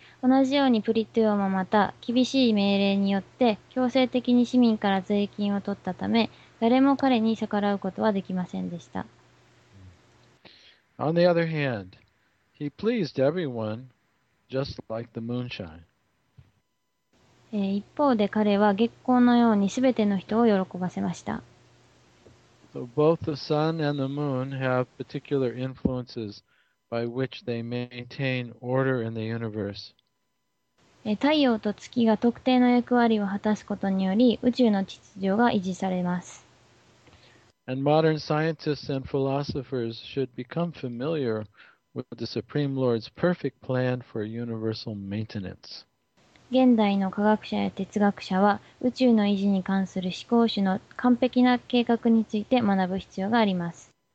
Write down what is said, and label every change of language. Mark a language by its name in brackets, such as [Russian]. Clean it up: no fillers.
[Japanese] 同じようにプリトゥオもまた厳しい命令によって強制的に市民から税金を取ったため誰も彼に逆らうことはできませんでした。 [English] On the other hand, he pleased everyone just like the moonshine. [Japanese] 一方で彼は月光のようにすべての人を喜ばせました。 [English] So both the sun and the moon have particular influences by which they maintain order in the universe. [Japanese] 太陽と月が特定の役割を果たすことにより宇宙の秩序が維持されます。 [English] And modern scientists and philosophers should become familiar with the Supreme Lord's perfect plan for universal maintenance. [Japanese] 現代の科学者や哲学者は宇宙の維持に関する思考主の完璧な計画について学ぶ必要があります。